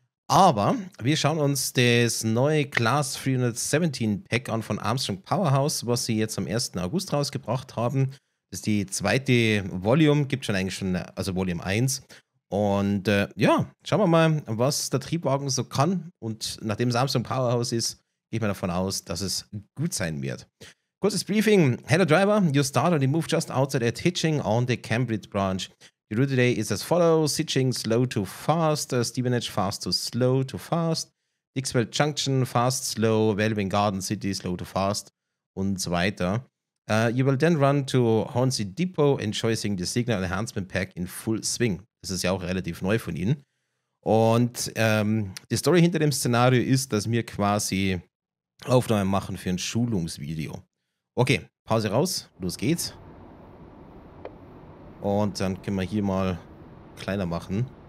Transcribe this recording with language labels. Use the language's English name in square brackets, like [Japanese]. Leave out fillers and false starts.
[German] Aber wir schauen uns das neue Class 317 Pack an von Armstrong Powerhouse, was sie jetzt am 1. August rausgebracht haben. Das ist die zweite Volume, gibt schon eigentlich schon, also Volume 1. Und ja, schauen wir mal, was der Triebwagen so kann. Und nachdem es Armstrong Powerhouse ist, gehe ich mal davon aus, dass es gut sein wird. Kurzes Briefing. [English] Hello Driver, you start on the move just outside at Hitching on the Cambridge Branch. The route today is as follows: Hitching slow to fast, Stevenage fast to slow to fast, Dixwell Junction fast slow, Welwyn Garden City slow to fast [German] und so weiter. [English] You will then run to Hornsey Depot, enjoying the Signal Enhancement Pack in full swing. [German] Das ist ja auch relativ neu von Ihnen. Und die Story hinter dem Szenario ist, dass wir quasi Aufnahmen machen für ein Schulungsvideo. Okay, Pause raus, los geht's. Und dann können wir hier mal kleiner machen.